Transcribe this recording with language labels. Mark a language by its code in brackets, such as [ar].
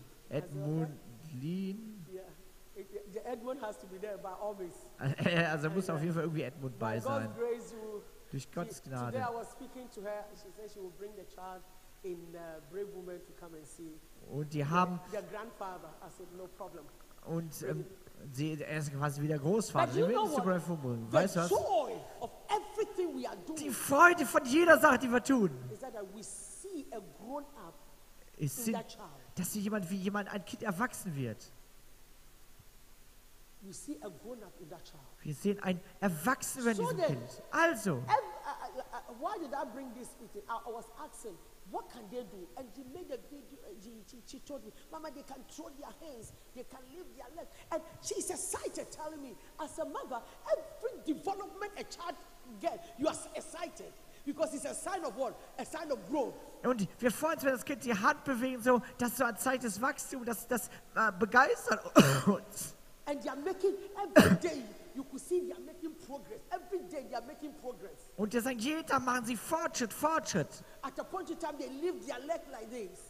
[en] Edmund Lean. Yeah. Edmund has to be there by all means. [de] Also muss auf jeden Fall irgendwie Edmund bei sein. [en] God grace you. [de] Durch Gottes Gnade. [en] Today I was speaking to her. She said she will bring the child in brave woman to come and see. [de] Und die haben [en] their grandfather. I said no problem. [de] Und sie ist quasi wie der Großvater. Sie will sogar verbunden. Weißt du was? [en] Joy of everything we are doing. [de] Die Freude von jeder Sache, die wir tun. [en] Is that we see a grown up. [de] Ist sie, dass sie jemand wie jemand ein Kind erwachsen wird. [en] We see a grown up in that child. [de] Wir sehen ein Erwachsenen in diesem Kind. Also. [en] Why did I bring this meeting? I was asking, what can they do? And she made a video. She told me, Mama, they can throw their hands, they can lift their legs. And she's excited, telling me, as a mother, every development a child gets, you are excited. Because it's a sign of what? A sign of growth. [de] Und wir freuen uns, wenn das Kind die Hand bewegt, so dass so ein Zeichen des Wachstums, das begeistert uns. [en] And they are making every day. You could see they are making progress. Every day they are making progress. [de] Und die sagen, jeden Tag machen sie Fortschritt. [en] At a point in time, they lift their leg like this.